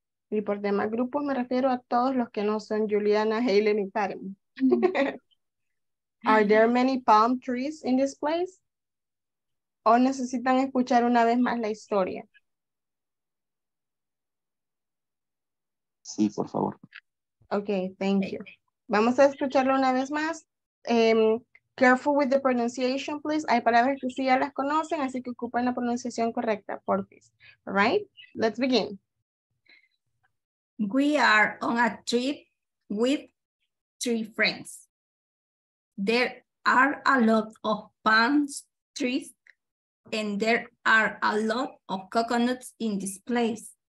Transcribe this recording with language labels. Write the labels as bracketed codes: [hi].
[es] Y por demás grupos me refiero a todos los que no son Juliana, Haley, y Karen. [en] Are there many palm trees in this place? [es] ¿O necesitan escuchar una vez más la historia? Sí, por favor. [en] Okay, thank you. [es] Vamos a escucharlo una vez más. [en] Careful with the pronunciation, please. [es] Hay palabras que sí ya las conocen, así que ocupen la pronunciación correcta, por favor. [en] All right, let's begin. We are on a trip with three friends. There are a lot of palm trees and there are a lot of coconuts in this place.